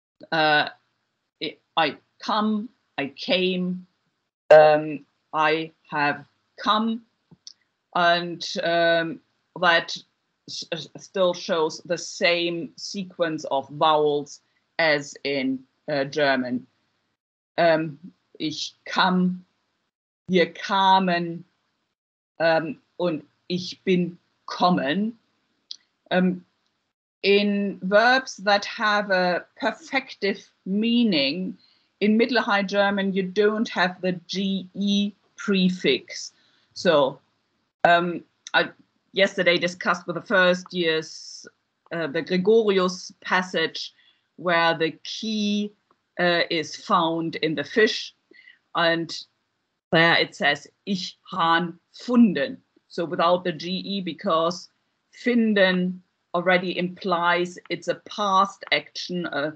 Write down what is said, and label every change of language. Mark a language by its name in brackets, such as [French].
[English] I come, I came, I have come, and that still shows the same sequence of vowels as in German. [German] Ich kam, wir kamen, und ich bin kommen. [English] In verbs that have a perfective meaning, in Middle High German, you don't have the GE prefix. So I yesterday discussed with the first years the Gregorius passage, where the key is found in the fish, and there it says [Middle High German] ich han funden, [English] so without the GE, because finden already implies it's a past action,